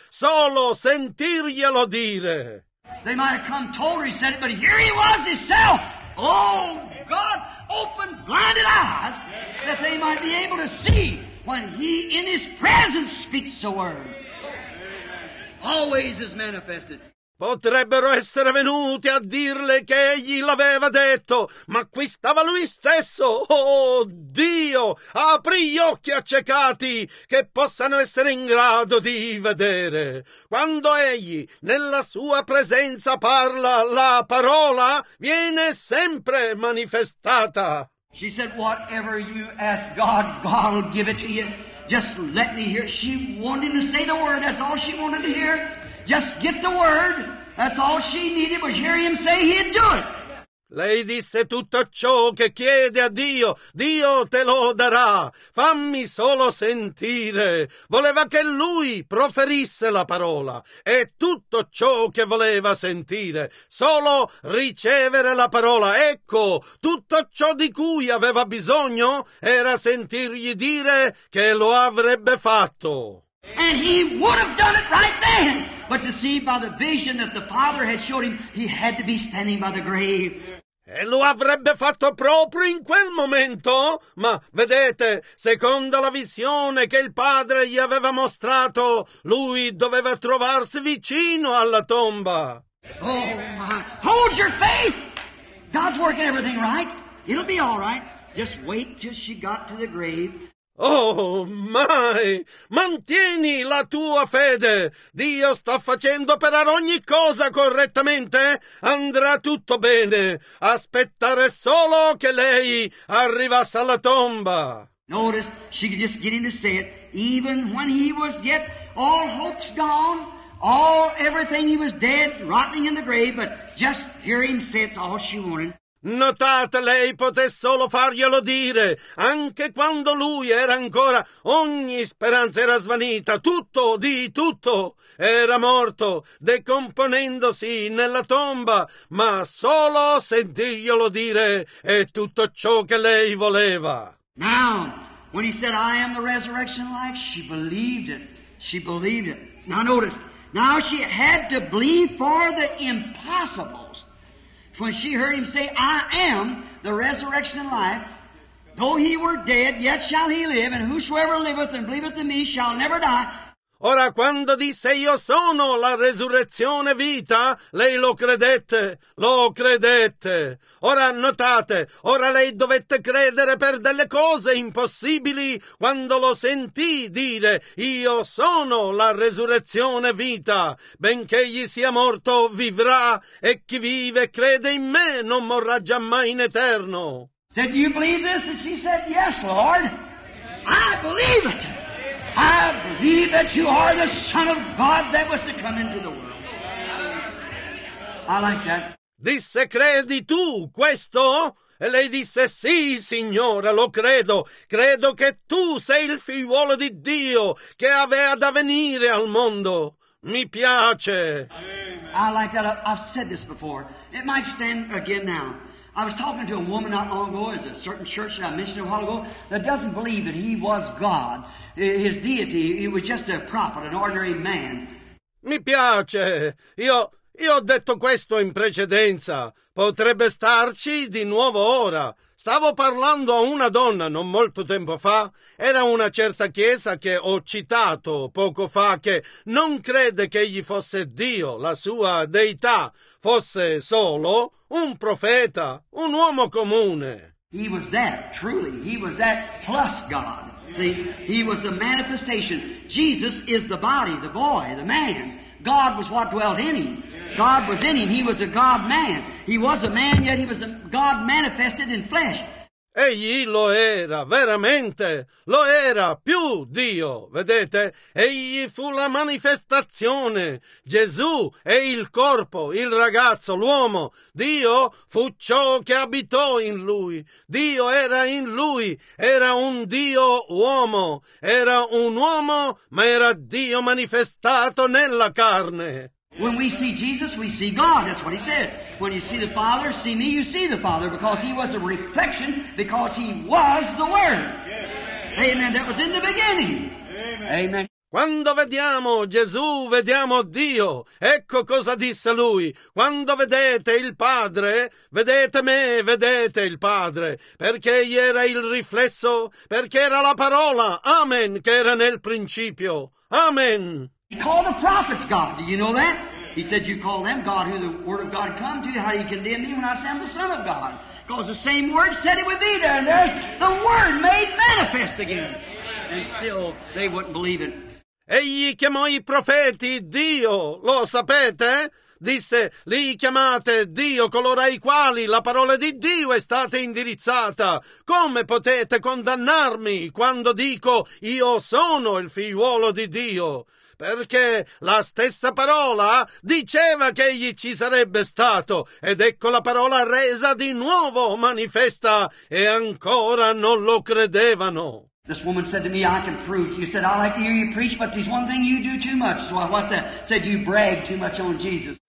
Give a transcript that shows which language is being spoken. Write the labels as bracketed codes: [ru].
[it] Solo sentirglielo dire. [en] They might have come told her, he said it, but here he was himself. Oh, God, open blinded eyes that they might be able to see when he in his presence speaks the word. Always is manifested. [it] Potrebbero essere venuti a dirle che egli l'aveva detto, ma qui stava lui stesso. Oh Dio, apri gli occhi accecati che possano essere in grado di vedere. Quando egli nella sua presenza parla, la parola viene sempre manifestata. [en] She said, whatever you ask God, God will give it to you. Just let me hear. She wanted to say the word, that's all she wanted to hear. Just get the word. That's all she needed was hear him say he'd do it. [it] Lei disse, tutto ciò che chiede a Dio, Dio te lo darà. Fammi solo sentire. Voleva che lui proferisse la parola. È tutto ciò che voleva sentire. Solo ricevere la parola. Ecco, tutto ciò di cui aveva bisogno era sentirgli dire che lo avrebbe fatto. [en] And he would have done it right then. But to see by the vision that the Father had showed him, he had to be standing by the grave. [it] E lo avrebbe fatto proprio in quel momento. Ma vedete, secondo la visione che il Padre gli aveva mostrato, lui doveva trovarsi vicino alla tomba. [en] Oh, my. Hold your faith. God's working everything right. It'll be all right. Just wait till she got to the grave. [it] Oh, mai! Mantieni la tua fede! Dio sta facendo operare ogni cosa correttamente! Andrà tutto bene! Aspettare solo che lei arrivasse alla tomba! [en] Notice, she could just get him to say it, even when he was yet all hopes gone, all everything he was dead, rotting in the grave, but just hear him say it's all she wanted. [it] Notate, lei poté solo farglielo dire, anche quando lui era ancora, ogni speranza era svanita, tutto di tutto era morto, decomponendosi nella tomba, ma solo sentirglielo dire è tutto ciò che lei voleva. [en] Now, when he said, I am the resurrection life, she believed it, she believed it. Now notice, now she had to believe for the impossibles. When she heard him say, I am the resurrection and life, though he were dead, yet shall he live, and whosoever liveth and believeth in me shall never die. [it] Ora, quando disse io sono la resurrezione vita, lei lo credette, lo credette. Ora notate, ora lei dovette credere per delle cose impossibili quando lo sentì dire io sono la resurrezione vita. Benché egli sia morto, vivrà, e chi vive e crede in me non morrà già mai in eterno. [en] Said, do you believe this? And she said, yes, Lord, I believe it. I believe that you are the Son of God that was to come into the world. I like that. [it] Disse, credi tu questo? E lei disse, sì, Signore, lo credo. Credo che tu sei il figliuolo di Dio che avea da venire al mondo. Mi piace. [en] I like that. I've said this before. It might stand again now. I was talking to a woman not long ago, as a certain church that I mentioned a while ago, that doesn't believe that he was God, his deity, he was just a prophet, an ordinary man. [it] Mi piace. Io ho detto questo in precedenza. Potrebbe starci di nuovo ora. Stavo parlando a una donna non molto tempo fa. Era una certa chiesa che ho citato poco fa, che non crede che egli fosse Dio, la sua deità, fosse solo un profeta, un uomo comune. [en] He was that, truly. He was that plus God. See, he was the manifestation. Jesus is the body, the boy, the man. God was what dwelt in him. God was in him. He was a God-man. He was a man, yet he was a God manifested in flesh. [it] Egli lo era, veramente, lo era, più Dio, vedete? Egli fu la manifestazione. Gesù è il corpo, il ragazzo, l'uomo. Dio fu ciò che abitò in lui. Dio era in lui, era un Dio uomo. Era un uomo, ma era Dio manifestato nella carne. [en] When we see Jesus, we see God. That's what he said. When you see the Father, see me, you see the Father, because he was a reflection, because he was the Word. Yes. Amen. That was in the beginning. Amen. Amen. [it] Quando vediamo Gesù, vediamo Dio. Ecco cosa disse lui. Quando vedete il Padre, vedete me, vedete il Padre. Perché egli era il riflesso, perché era la parola. Amen. Che era nel principio. Amen. [en] He called the prophets God. Do you know that? He said, you call them God, who the word of God come to you. How do you condemn me when I say I'm the Son of God? Because the same word said it would be there. And there's the word made manifest again. And still, they wouldn't believe it. [it] Egli chiamò i profeti Dio. Lo sapete? Disse, li chiamate Dio, coloro ai quali la parola di Dio è stata indirizzata. Come potete condannarmi quando dico, io sono il figliuolo di Dio? Perché la stessa parola diceva che egli ci sarebbe stato, ed ecco la parola resa di nuovo manifesta, e ancora non lo credevano. [en] This woman said to me, I can prove. You said, I like to hear you preach, but there's one thing you do too much. So what's that? Said you brag too much on Jesus.